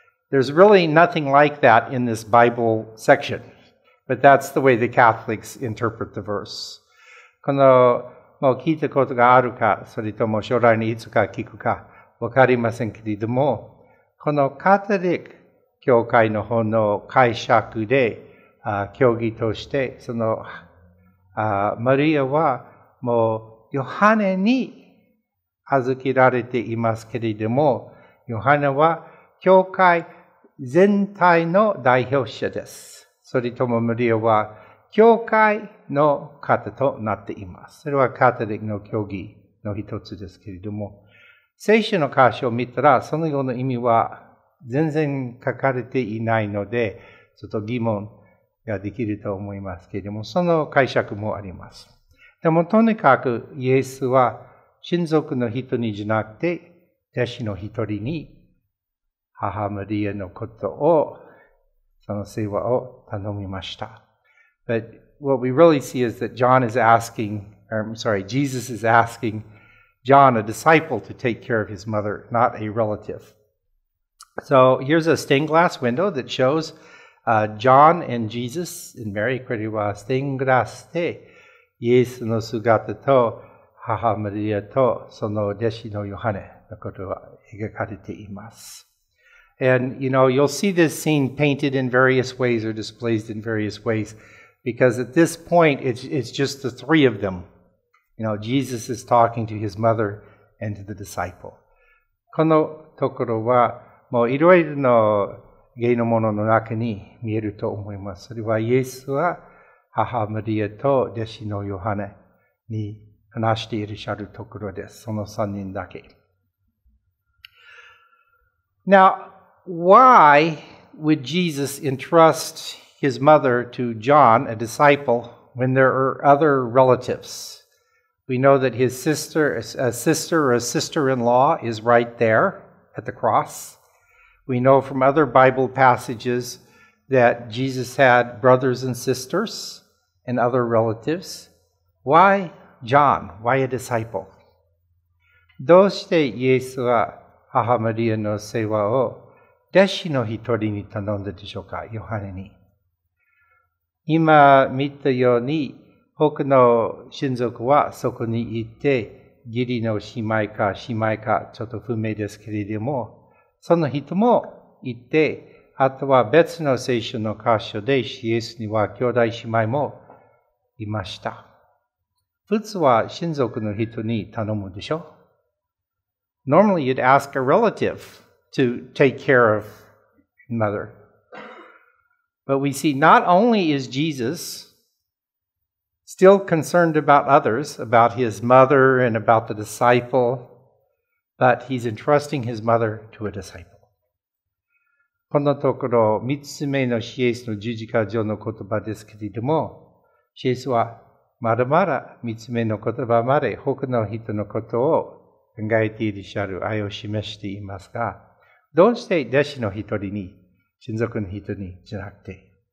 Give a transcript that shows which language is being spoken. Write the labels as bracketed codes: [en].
[en] There's really nothing like that in this Bible section, but that's the way the Catholics interpret the verse. [ja] この、もう聞いたことがあるか、それとも将来にいつか聞くか、わかりませんけれども、このカトリック教会の方の解釈で、教義として、その、マリアはもうヨハネに預けられていますけれども、ヨハネは教会全体の代表者です。それともマリアは教会の方となっています。それはカトリックの教義の一つですけれども、聖書の箇所を見たら、そのような意味は全然書かれていないので、ちょっと疑問、ができると思いますけれども、その解釈もあります。でもとにかくイエスは親族の人にじゃなくて弟子の一人に母マリアのことをその世話を頼みました。 [en] But what we really see is that John is asking, or I'm sorry, Jesus is asking John, a disciple, to take care of his mother, not a relative. So here's a stained glass window that shows. John and Jesus and Mary, [ja] これはステンガラスでイエスの姿と母マリアとその弟子のヨハネのことが描かれています。 [en] And you know, you'll see this scene painted in various ways or displayed in various ways because at this point it's just the three of them. You know, Jesus is talking to his mother and to the disciple. [ja] このところはもういろいろの芸のものの中に見えると思います。それはイエスは母マリアと弟子のヨハネに話していらっしゃるところです。その3人だけ。 [en] Now, why would Jesus entrust his mother to John, a disciple, when there are other relatives? We know that his sister, a sister or a sister-in-law is right there at the cross. We know from other Bible passages that Jesus had brothers and sisters and other relatives. Why John? Why a disciple? [ja] どうしてイエスは母マリアの世話を弟子の一人に頼んだでしょうか、ヨハネに。今見たように、他の親族はそこにいて、義理の姉妹か、ちょっと不明ですけれども、その人も言って、あとは別の聖書の箇所で、イエスには兄弟姉妹もいました。普通は親族の人に頼むでしょ [en] ?Normally you'd ask a relative to take care of mother. But we see not only is Jesus still concerned about others, about his mother and about the disciple,But he's entrusting his mother to a disciple. [ja] このところ、三つ目のイエスの十字架上の言葉ですけれども、イエスはまだまだ三つ目の言葉まで他の人のことを考えていらっしゃる愛を示していますが、どうして弟子の一人に、親族の人にじゃなくて。